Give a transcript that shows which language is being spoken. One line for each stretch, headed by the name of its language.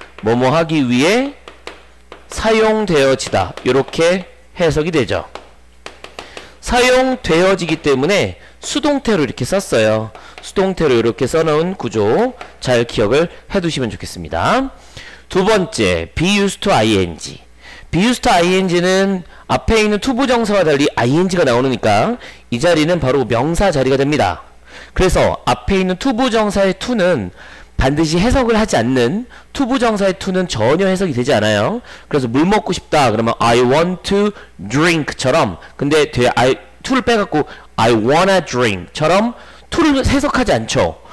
Korean: 뭐뭐하기 위해 사용되어지다. 이렇게 해석이 되죠. 사용되어지기 때문에 수동태로 이렇게 썼어요. 수동태로 이렇게 써놓은 구조 잘 기억을 해두시면 좋겠습니다. 두 번째, be used to ing. be used to ing는 앞에 있는 to 부정사와 달리 ing가 나오니까 이 자리는 바로 명사 자리가 됩니다. 그래서 앞에 있는 to 부정사의 to는 반드시 해석을 하지 않는, to 부정사의 to는 전혀 해석이 되지 않아요. 그래서 물 먹고 싶다 그러면
English: I want to drink
Korean: 처럼, 근데 뒤에 to를 빼갖고
English: I wanna drink
Korean: 처럼 to를 해석하지 않죠.